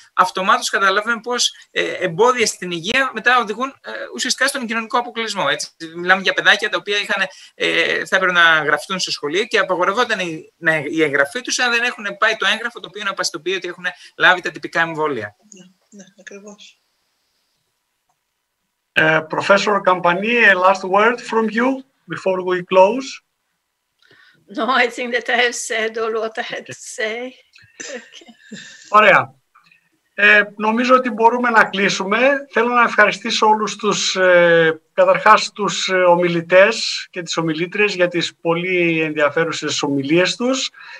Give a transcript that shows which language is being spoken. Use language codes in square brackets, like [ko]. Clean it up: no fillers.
[el] Αυτομάτως καταλαβαίνουμε πως εμπόδια στην υγεία μετά οδηγούν ουσιαστικά στον κοινωνικό αποκλεισμό. Έτσι. Μιλάμε για παιδάκια τα οποία θα έπρεπε να γραφτούν στο σχολείο και απαγορευόταν η εγγραφή τους αν δεν έχουν πάει το έγγραφο το οποίο να πιστοποιεί ότι έχουν λάβει τα τυπικά εμβόλια. Ναι, ακριβώς. [en] Professor Καμπανή, a last word from you before we close. No, I think that I have said all what I had to say. Okay. [el] Ωραία. Νομίζω ότι μπορούμε να κλείσουμε. Θέλω να ευχαριστήσω όλους τους, καταρχάς τους ομιλητές και τις ομιλήτριες για τις πολύ ενδιαφέρουσες ομιλίες τους.